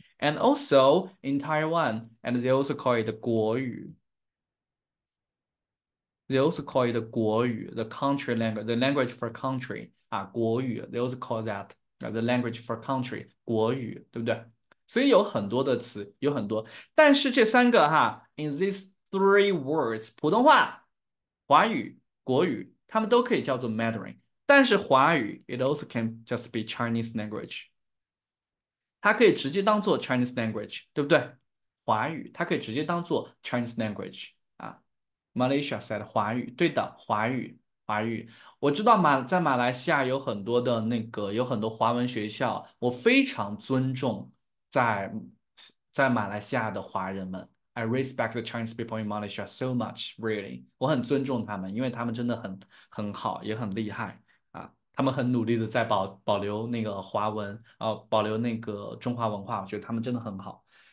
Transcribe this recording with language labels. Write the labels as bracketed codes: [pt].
[en] And also in Taiwan, and they also call it 国语。 They also call it 国语， the country language, the language for country 啊，国语。 They also call that the language for country 国语， [zh] 对不对？所以有很多的词，有很多。但是这三个哈， [en] in these three words， [zh] 普通话、华语。国语，他们都可以叫做 Mandarin，但是华语 [en] it also can just be Chinese language， [zh] 它可以直接当做 Chinese language，对不对？华语它可以直接当做 Chinese language 啊。 [en] Malaysia said [zh] 华语，对的，华语，华语。我知道在马来西亚有很多的那个有很多华文学校，我非常尊重在马来西亚的华人们。 [en] I respect the Chinese people in Malaysia so much, really. [zh] 我很尊重他们，因为他们真的很好，也很厉害啊！他们很努力的在保留那个华文，保留那个中华文化。我觉得他们真的很好。